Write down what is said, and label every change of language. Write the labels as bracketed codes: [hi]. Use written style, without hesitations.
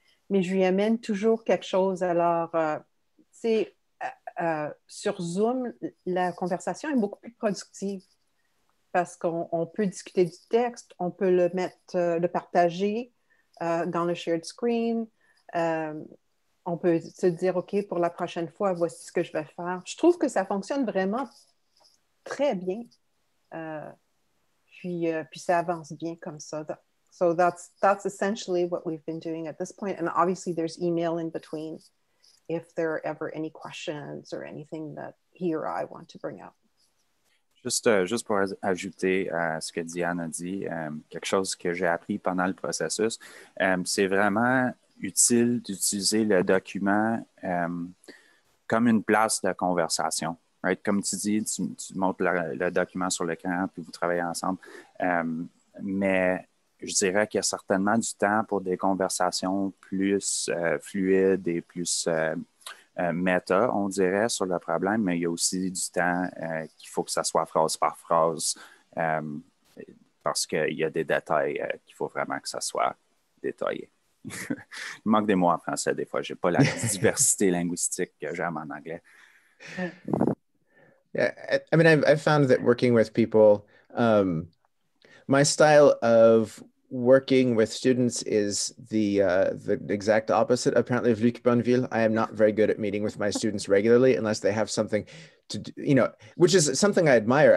[fr] Mais je lui amène toujours quelque chose. Alors, tu sais, sur Zoom, la conversation est beaucoup plus productive parce qu'on peut discuter du texte, on peut le mettre, le partager dans le shared screen. On peut se dire, OK, pour la prochaine fois, voici ce que je vais faire. Je trouve que ça fonctionne vraiment très bien. Puis ça avance bien comme ça. [en] So that's essentially what we've been doing at this point. And obviously there's email in between if there are ever any questions or anything that he or I want to bring up. [fr] Juste pour ajouter à ce que Diane a dit, quelque chose que j'ai appris pendant le processus, c'est vraiment utile d'utiliser le document comme une place de conversation. Right? Comme tu dis, tu montres le document sur l'écran puis vous travaillez ensemble. Mais je dirais qu'il y a certainement du temps pour des conversations plus fluides et plus méta, on dirait, sur le problème, mais il y a aussi du temps qu'il faut que ça soit phrase par phrase parce qu'il y a des détails qu'il faut vraiment que ça soit détaillé. Il manque des mots en français des fois. Je n'ai pas la diversité linguistique que j'aime en anglais. [en] Yeah, I mean, I've found that working with people... my style of working with students is the exact opposite, apparently, of Luc Bonneville. I am not very good at meeting with my students regularly unless they have something to do, you know, which is something I admire.